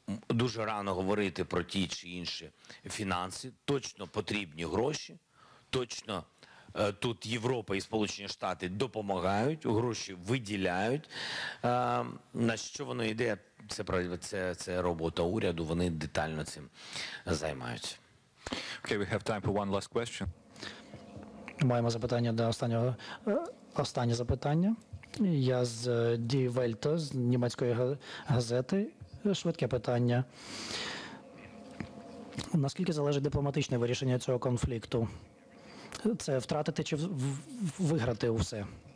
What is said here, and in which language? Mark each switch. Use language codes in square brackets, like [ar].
[uk] дуже рано говорити про ті чи інші фінанси. Точно потрібні гроші, точно тут Європа і Сполучені Штати допомагають, гроші виділяють. На що воно йде, це робота уряду, вони детально цим займаються. [en] Okay, we have time for one last question. [uk] Маємо запитання до останнього. Останнє запитання. Я з Die Welt, з німецької газети. Швидке питання. Наскільки залежить дипломатичне вирішення цього конфлікту? Це втратити чи виграти усе?